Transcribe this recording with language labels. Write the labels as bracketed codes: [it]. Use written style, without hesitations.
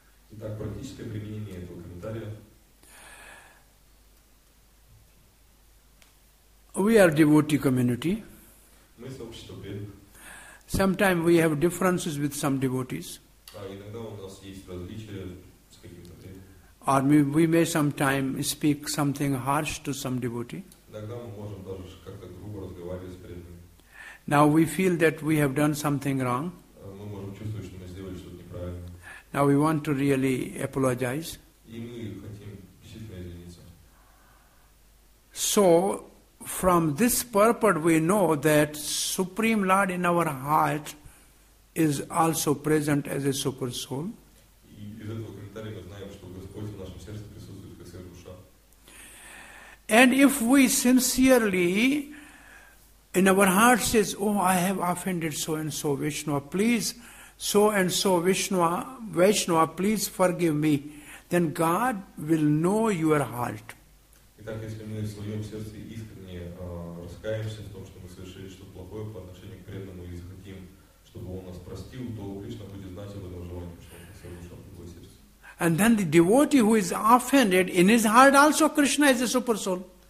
[ru] Итак, практическое применение этого комментария. [en] We are devotee community. [ru] Мы сообщество преданных. [en] Sometimes we have differences with some devotees. [ru] Иногда у нас есть различия с каким-то преданным. [en] Or we may sometime speak something harsh to some devotee. [ru] Иногда мы можем даже как-то грубо разговаривать с преданным. [en] Now we feel that we have done something wrong. [ru] Мы можем чувствовать, что мы сделали что-то неправильно. [en] Now we want to really apologize. [ru] И мы хотим действительно извиниться. [en] So, from this purport we know that Supreme Lord in our heart is also present as a super soul. [ru] И из этого комментария мы знаем, что Господь в нашем сердце присутствует как сверх душа. [en] And if we sincerely in our heart says, oh, I have offended so-and-so Vishnu, please, so-and-so Vishnu, please forgive me. Then God will know your heart. [ru] Итак, если мы в своем сердце искренне раскаемся в том, что мы совершили что-то плохое по отношению к преданному и захотим, чтобы он нас простил, то Кришна будет знать об этом желании, что он совершил в его сердце. [en] And then the devotee who is offended, in his heart also Krishna is a super soul.